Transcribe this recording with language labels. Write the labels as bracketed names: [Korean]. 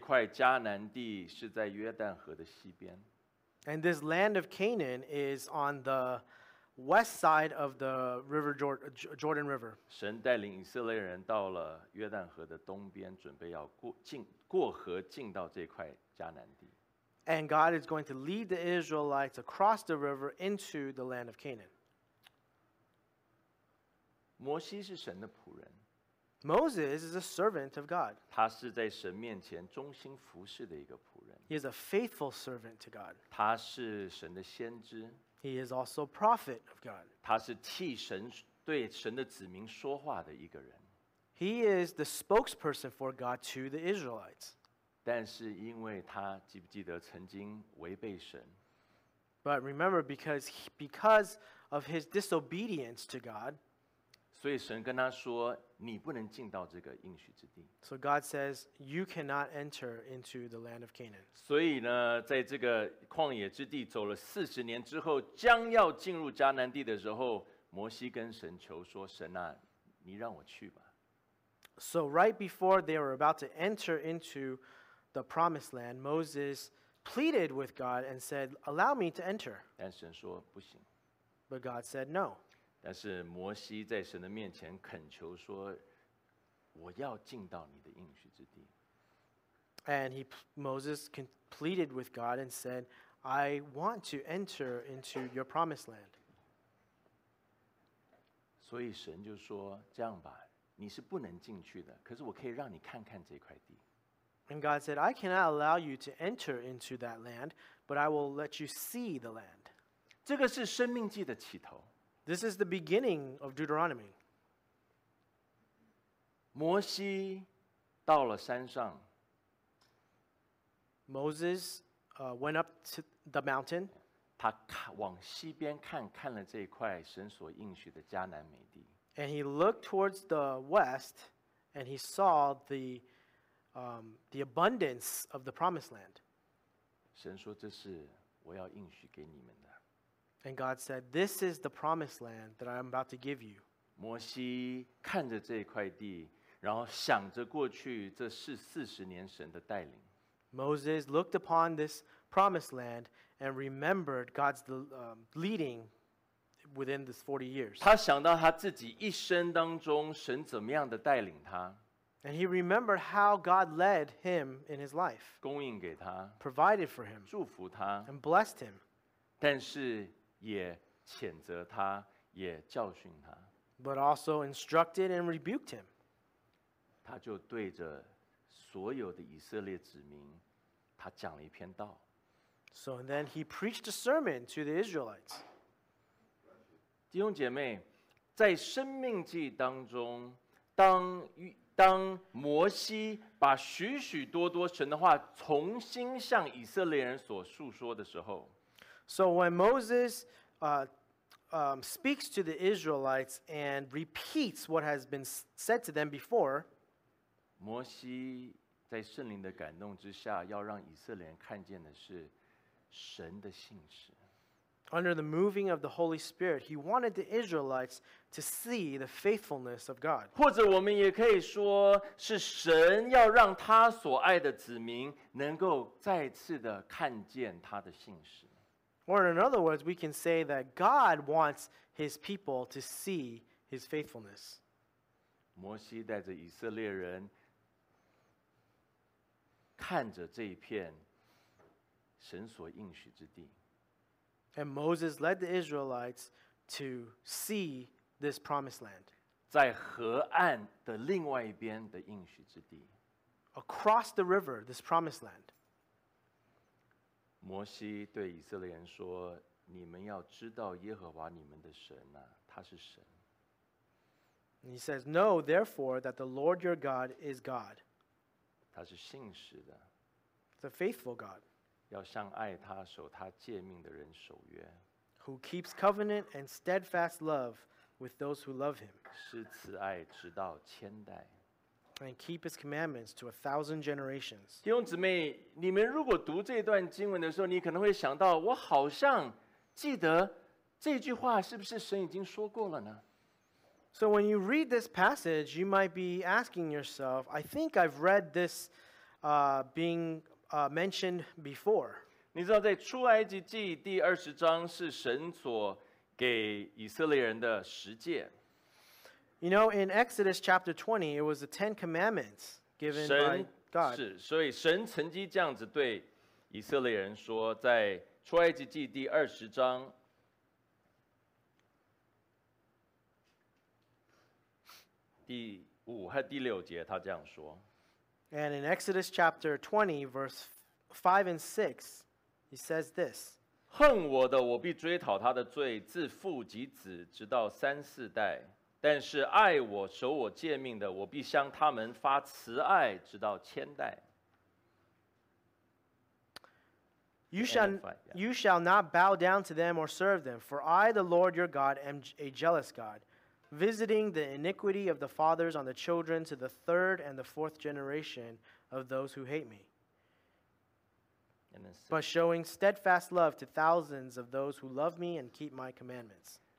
[Chinese] 这块迦南地是在约旦河的西边。 [English] And this land of Canaan is on the west side of the river Jordan River. [Chinese] 神带领以色列人到了约旦河的东边，准备要过河进到这块迦南地。 [English] And God is going to lead the Israelites across the river into the land of Canaan. [Chinese] 摩西是神的仆人。 [English] Moses is a servant of God. [Chinese] 他是在神面前忠心服侍的一个仆人。 [English] He is a faithful servant to God. [Chinese] 他是神的先知。 [English] He is also a prophet of God. [Chinese] 他是替神对神的子民说话的一个人。 [English] He is the spokesperson for God to the Israelites. [Chinese] 但是因为他记不记得曾经违背神。 [English] But remember, because of his disobedience to God, [Chinese] 所以神跟他说，你不能进到这个应许之地。 [English] So God says, you cannot enter into the land of Canaan. [Chinese] 所以呢，在这个旷野之地走了四十年之后，将要进入迦南地的时候，摩西跟神求说，神啊，你让我去吧。 [English] So right before they were about to enter into the promised land, Moses pleaded with God and said, allow me to enter. [Chinese] 但神说不行。 [English] But God said no. [Chinese] 但是摩西在神的面前恳求说，我要进到你的应许之地。 [English] And Moses pleaded with God and said, I want to enter into your promised land. [Chinese] 所以神就说，这样吧，你是不能进去的，可是我可以让你看看这块地。 [English] And God said, I cannot allow you to enter into that land, but I will let you see the land. [Chinese] 这个是生命记的起头。 [English] This is the beginning of Deuteronomy. [Chinese] 摩西到了山上。 [English] Moses went up to the mountain. [Chinese] 他往西边看，看了这块神所应许的迦南美地。 [English] And he looked towards the west, and he saw the abundance of the promised land. [Chinese] 神说这是我要应许给你们的。 [English] And God said, "This is the promised land that I am about to give you." [Chinese] 摩西看着这块地，然后想着过去这是四十年神的带领。 [English] Moses looked upon this promised land and remembered God's leading within this 40 years. [Chinese] 他想到他自己一生当中神怎么样的带领他。 [English] And he remembered how God led him in his life. [Chinese] 供应给他。 [English] Provided for him. [Chinese] 祝福他。 [English] And blessed him. [Chinese] 但是也谴责他，也教训他。 [English] But also instructed and rebuked him. [Chinese] 他就对着所有的以色列子民，他讲了一篇道。 [English] So then he preached a sermon to the Israelites. [Chinese] 弟兄姐妹，在生命记当中，当摩西把许许多多神的话重新向以色列人所述说的时候 [English] ，So when Moses speaks to the Israelites and repeats what has been said to them before. [Chinese] 摩西在圣灵的感动之下，要让以色列人看见的是神的信实。 [English] Under the moving of the Holy Spirit, he wanted the Israelites to see the faithfulness of God. [Chinese] 或者我们也可以说，是神要让他所爱的子民能够再次的看见他的信实。 [English] Or in other words, we can say that God wants his people to see his faithfulness. [Chinese] 摩西带着以色列人看着这一片神所应许之地。 [English] And Moses led the Israelites to see this promised land. [Chinese] 在河岸的另外一边的应许之地。 [English] Across the river, this promised land. [Chinese] 摩西对以色列人说，你们要知道耶和华你们的神啊，他是神。 [English] And he says, know therefore that the Lord your God is God. [Chinese] 他是信实的。 [English] The faithful God. [Chinese] 要向爱他、守他诫命的人守约。 [English] Who keeps covenant and steadfast love with those who love him. [Chinese] 是慈爱直到千代。 [English] And keep his commandments to 1,000 generations. [Chinese] 弟兄姊妹，你们如果读这段经文的时候，你可能会想到，我好像记得这句话是不是神已经说过了呢？ [English] So when you read this passage, you might be asking yourself, I think I've read this being mentioned before. [Chinese] 你知道在出埃及记第二十章是神所给以色列人的十诫。 [English] You know, in Exodus chapter 20, it was the Ten Commandments given by God. [Chinese] 是，所以神曾经这样子对以色列人说，在出埃及记第二十章第五和第六节，他这样说。 [English] And in Exodus chapter 20, verse 5 and 6, he says this. [Chinese] 恨我的，我必追讨他的罪，自父及子，直到三四代。但是爱我、守我诫命的，我必向他们发慈爱，直到千代。 [English] You shall not bow down to them or serve them, for I, the Lord your God, am a jealous God, visiting the iniquity of the fathers on the children to the third and the fourth generation of those who hate me, but showing steadfast love to thousands of those who love me and keep my commandments.